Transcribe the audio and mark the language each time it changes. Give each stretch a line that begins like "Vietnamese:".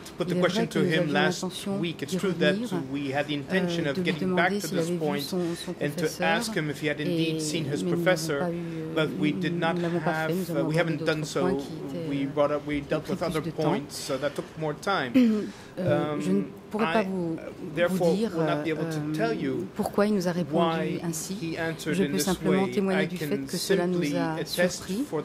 French: Il est vrai que nous avions l'intention d'y revenir, de lui demander s'il avait vu son professeur, mais nous n'avons pas fait.
English: We haven't done so. We dealt with other points, so that took more time.
French: Je ne pourrais pas vous dire pourquoi il nous a répondu ainsi. Je peux simplement témoigner du fait que cela nous a surpris.